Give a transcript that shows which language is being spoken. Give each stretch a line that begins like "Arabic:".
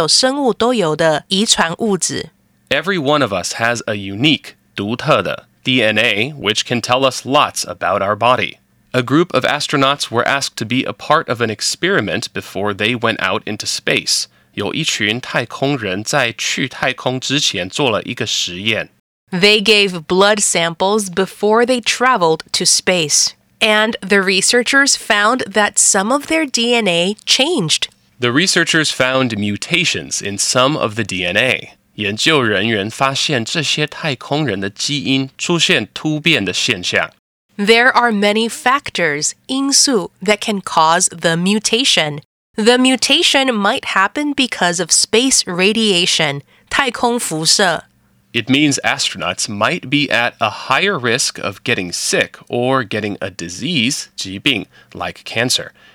Chinese: DNA是一种人类和所有生物都有的遗传物质.
English: Every one of us has a unique, 独特的 DNA, which can tell us lots about our body. A group of astronauts were asked to be a part of an experiment before they went out into space.
Chinese: 有一群太空人在去太空之前做了一个实验.
English: They gave blood samples before they traveled to space. And the researchers found that some of their DNA changed. The researchers found mutations in some of the DNA.
Chinese: 研究人员发现这些太空人的基因出现突变的现象.
English: There are many factors, 因素, that can cause the mutation. The mutation might happen because of space radiation, 太空辐射. It means astronauts might be at a higher risk of getting sick or getting a disease, 疾病, like cancer.